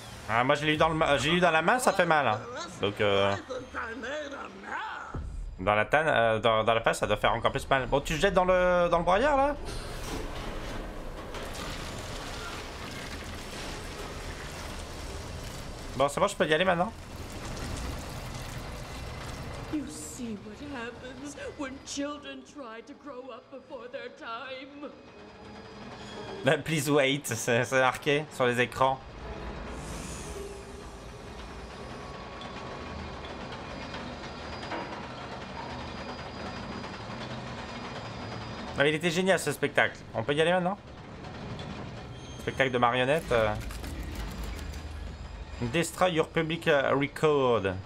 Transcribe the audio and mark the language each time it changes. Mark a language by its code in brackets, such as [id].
[fr] Ah, moi j'ai lu dans la main, ça fait mal. Donc dans la tane, dans la face, ça doit faire encore plus mal. Bon, tu jettes dans le broyeur là? Bon, c'est bon, je peux y aller maintenant. [en] You see what happens when children try to grow up before their time. [fr] Ben, [en] please wait, [fr] c'est marqué sur les écrans. Non, mais il était génial ce spectacle. On peut y aller maintenant? Spectacle de marionnettes. [en] Destroy your public record.